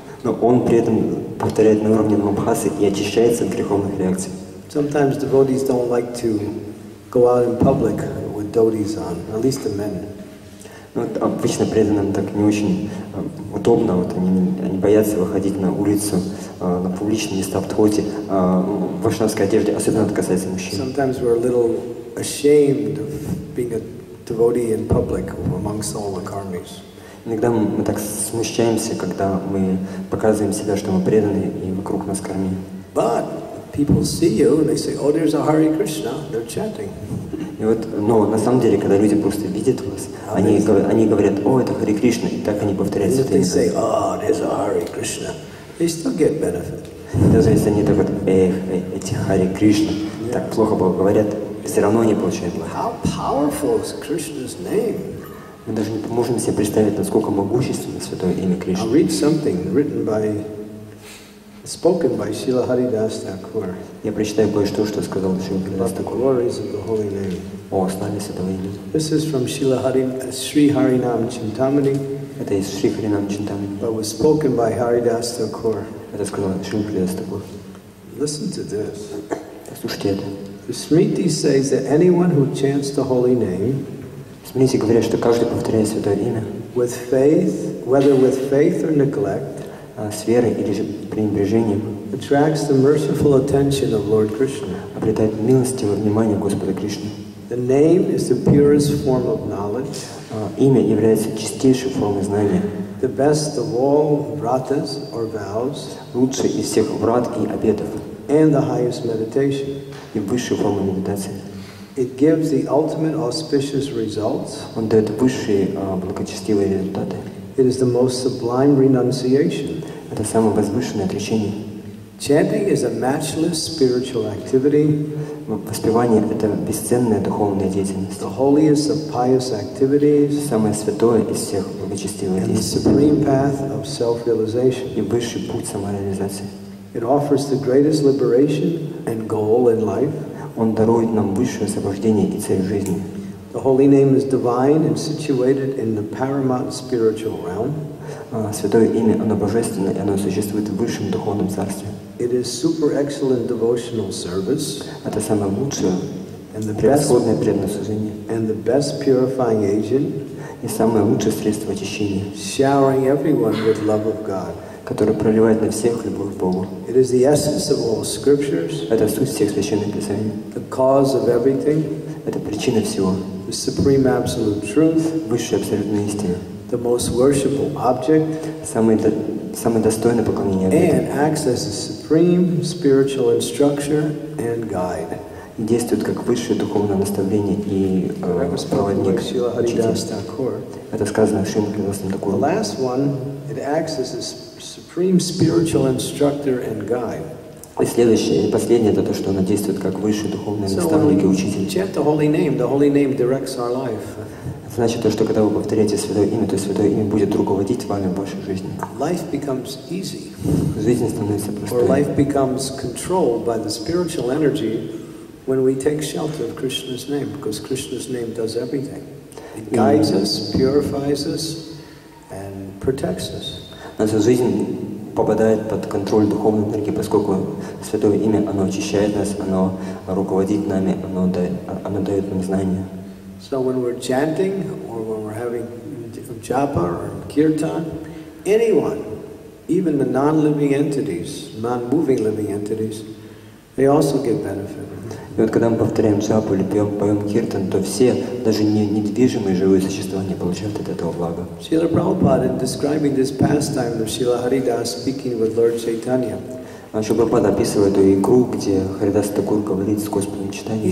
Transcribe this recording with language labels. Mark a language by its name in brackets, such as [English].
[Russian] Но он при этом повторяет на уровне мабхасы и очищается от греховных реакций. [English] Sometimes devotees don't like to go out in public with dhotis on, at least the men. [Russian] Ну, обычно преданным так не очень удобно, вот они боятся выходить на улицу, на публичные места в дхоти, в вайшнавской одежде, особенно это касается мужчин. [English] Sometimes we're a little ashamed of being a devotee in public amongst all the karmis. [Russian] Иногда мы так смущаемся, когда мы показываем себя, что мы преданы, и вокруг нас карми. [English] But people see you and they say, oh, there's a Hare Krishna, they're chanting. [Russian] И вот, но на самом деле, когда люди просто видят вас, они говорят, о, это Хари Кришна, и так они повторяют это. [English] They say, oh, there's a Hare Krishna, they still get benefit. [Russian] Даже если они так вот, эти Хари Кришна, так плохо было говорят, все равно они получают благо. [English] How powerful is Krishna's name? [Russian] Мы даже не можем себе представить, насколько могущественно святое имя Кришны. [English] I'll read something written by, spoken by Srila Haridas Thakur. [Russian] Я прочитаю кое-что, что сказал Шрила Харидас [English] Такур. About the glories of the holy name. [Russian] О, славе святого имени. [English] This is from Srila Sri Harinam Chintamani. [Russian] Это из Шри Харинам Чинтамани. [English] But was spoken by Haridas Thakur. [Russian] Это сказал Шрила Харидас Такур. [English] Listen to this. [Russian] Послушайте это. [English] The Smriti says that anyone who chants the holy name, [Russian] Смотрите, говорят, что каждый повторяет святое имя. [English] With faith, whether with faith or neglect, [Russian] с верой или же пренебрежением, [English] attracts the merciful attention of Lord Krishna. [Russian] Обретает милостивое внимание Господа Кришны. [English] The name is the purest form of knowledge. [Russian] Имя является чистейшей формой знания. [English] The best of all vratas or vows. [Russian] Лучше из всех врат и обетов. [English] And the highest meditation. [Russian] И высшая форма медитации. [English] It gives the ultimate auspicious results. [Russian] Он дает высшие благочестивые результаты. [English] It is the most sublime renunciation. [Russian] Это самое возвышенное отречение. [English] Chanting is a matchless spiritual activity. [Russian] Воспевание — это бесценная духовная деятельность. [English] The holiest of pious activities. [Russian] Самое святое из всех благочестивых действий. [English] And the supreme path of self-realization. [Russian] И высший путь самореализации. [English] It offers the greatest liberation and goal in life. [Russian] Он дарует нам высшее освобождение и цель жизни. [English] The holy name is divine and situated in the paramount spiritual realm. [Russian] Святое имя, оно божественное, и оно существует в высшем духовном царстве. [English] It is super excellent devotional service. [Russian] Это самое лучшее, превосходное преданное служение. [English] And the best purifying agent. [Russian] И самое лучшее средство очищения. [English] Showering everyone with love of God. [Russian] Которое проливает на всех любовь к Богу. [English] It is the essence of all scriptures. [Russian] Это суть всех священных писаний. [English] The cause of everything. [Russian] Это причина всего. [English] The supreme absolute truth. [Russian] Высшая абсолютная истина. [English] The most worshipful object. [Russian] Самое достойное поклонение объекта. [English] And acts as the supreme spiritual instructor and guide. [Russian] И действует как высшее духовное наставление и проводник, учитель. Это сказано в Шриму Кривасам Такуру. [English] The last one, it acts as the supreme spiritual instructor and guide. [Russian] И следующее, и последнее, это то, что оно действует как высший духовный наставник и учитель. [English] Chant the holy name, the holy name directs our life. [Russian] Значит, то, что когда вы повторяете святое имя, то святое имя будет руководить вами в вашей жизни. [English] Life becomes easy. [Russian] Жизнь становится простой. [English] Or life becomes controlled by the spiritual energy when we take shelter of Krishna's name, because Krishna's name does everything. It guides us, purifies us, and protects us. [Russian] Наша жизнь попадает под контроль духовной энергии, поскольку Святое Имя, оно очищает нас, оно руководит нами, оно дает нам знания. [English] So when we're chanting, or when we're having japa or kirtan, anyone, even the non-living entities, non-moving living entities, They also get benefit. [Russian] И вот когда мы повторяем джапу или поем, поем киртан, то все, даже недвижимые живые существа, не получают от этого блага. [English] Srila Prabhupada, in describing this pastime of Srila Haridas speaking with Lord Chaitanya, [Russian] Srila Prabhupada описывает эту игру, где Харидас Такур говорит с Господом Чайтаньей.